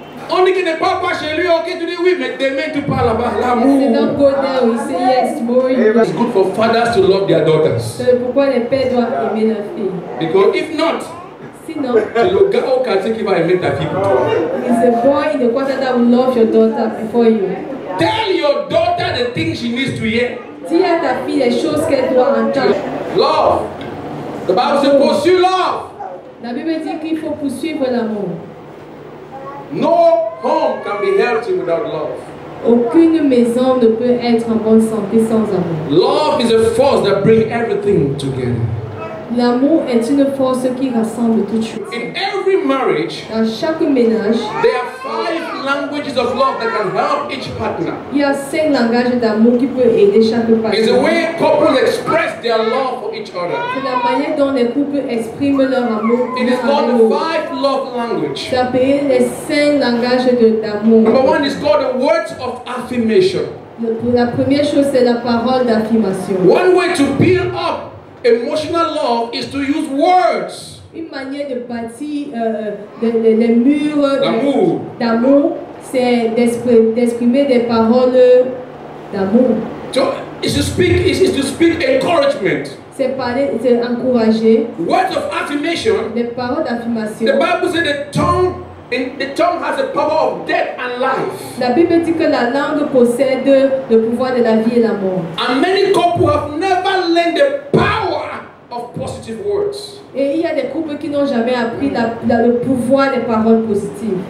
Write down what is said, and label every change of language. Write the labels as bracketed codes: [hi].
[fr] On dit qu'il n'est pas pas chez lui, ok, tu dis oui, mais demain tu parles là-bas. L'amour. [en] They don't go there. We say yes, boy. It's good for fathers to love their daughters. [fr] Pourquoi les pères doivent aimer leurs filles? [en] Because if not, [fr] sinon, c'est le gars au quartier qui va aimer ta fille. [en] It's a boy in the quarter that will love your daughter before you. Tell your daughter the things she needs to hear. [fr] Dis à ta fille les choses qu'elle doit entendre. [en] Love. The Bible says pursue love. [fr] La Bible dit qu'il faut poursuivre l'amour. [en] No home can be healthy without love. [fr] Aucune maison ne peut être en bonne santé sans amour. [en] Love is a force that brings everything together. [fr] L'amour est une force qui rassemble tout. [en] In every marriage, [fr] dans chaque ménage, [en] there are five languages of love that can help each partner. [fr] Il y a cinq langages d'amour qui peuvent aider chaque partenaire. [en] It's the way couples express their love for each other. [fr] C'est la manière dont les couples expriment leur amour. [en] It is called the five love language. [fr] Ça s'appelle les cinq langages d'amour. [en] Number one is called the words of affirmation. [fr] La première chose c'est la parole d'affirmation. [en] One way to build up emotional love is to use words. [fr] Une manière de bâtir les murs d'amour. D'amour, c'est d'exprimer des paroles d'amour. [en] So, it's to speak encouragement. [fr] C'est parler, c'est encourager. [en] Words of affirmation. [fr] Des paroles d'affirmation. [en] The Bible says the tongue has the power of death and life. [fr] La Bible dit que la langue possède le pouvoir de la vie et la mort. [en] And many couples have never learned the power of positive words. [fr] Et il y a des couples qui n'ont jamais appris le pouvoir des paroles positives.